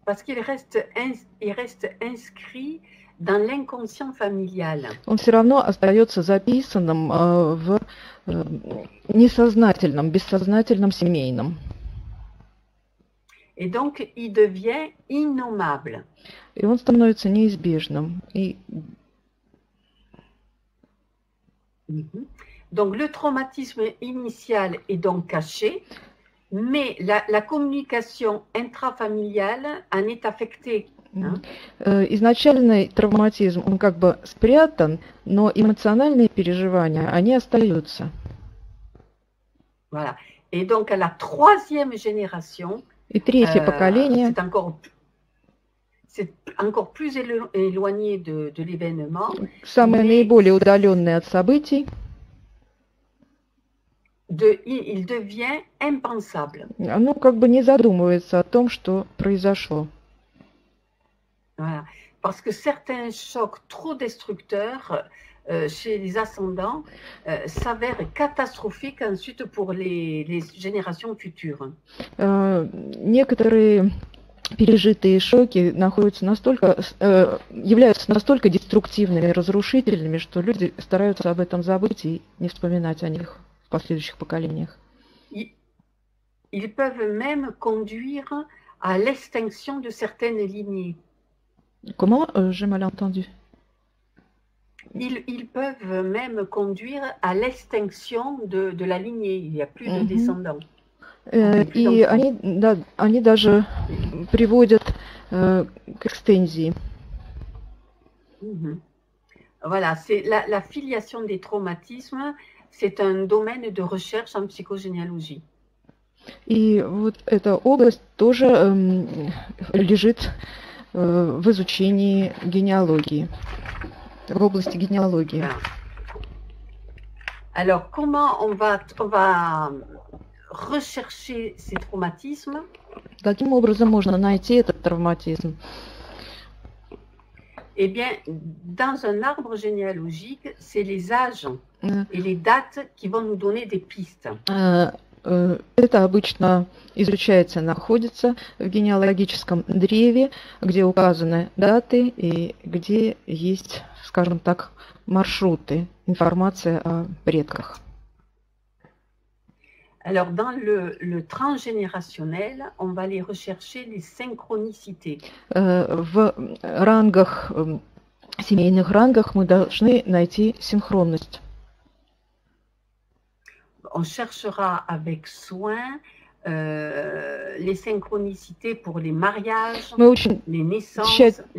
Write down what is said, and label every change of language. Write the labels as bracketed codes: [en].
[fr] Il reste inscrit dans l'inconscient familial. [ru] Он все равно остается записанным в несознательном, бессознательном семейном. [fr] Et donc, il devient innommable. [ru] И он становится неизбежным. И... [fr] Donc, le traumatisme initial est donc caché. Mais la communication intrafamiliale en est affectée. Hein? [ru] Изначальный травматизм, он как бы спрятан, но эмоциональные переживания, они остаются. [fr] Voilà. Et donc, à la troisième génération, [ru] И третье поколение. [fr] c'est encore plus éloigné de l'événement, [ru] Самое [fr] mais. [ru] наиболее удаленное от событий. [fr] Il devient impensable. [ru] Оно как бы не задумывается о том, что произошло. [fr] Voilà. parce que certains chocs trop destructeurs chez les ascendants s'avèrent catastrophiques ensuite pour les générations futures. [ru] Некоторые пережитые шоки находятся настолько, являются настолько деструктивными и разрушительными, что люди стараются об этом забыть и не вспоминать о них в последующих поколениях. [fr] Ils peuvent même conduire à l'extinction de certaines lignées. Comment j'ai mal entendu? Ils peuvent même conduire à l'extinction de la lignée. Il n'y a plus de descendants. [ru] И они, да, они даже приводят к экстензии. [fr] Voilà, c'est la filiation des traumatismes, c'est un domaine de recherche en psychogénéalogie. [ru] И вот эта область тоже лежит в изучении генеалогии, в области генеалогии. [fr] Alors, comment on va rechercher ces traumatismes? [ru] Каким образом можно найти этот травматизм? [fr] Eh bien, dans un arbre généalogique, c'est les âges et les dates qui vont nous donner des pistes. [ru] Это обычно изучается, находится в генеалогическом древе, где указаны даты и где есть, скажем так, маршруты, информация о предках. [fr] Alors, dans le transgénérationnel, on va aller rechercher les synchronicités. [ru] В рангах, семейных рангах мы должны найти синхронность. [fr] On cherchera avec soin les synchronicités pour les mariages, [ru] мы очень [fr] les наissances,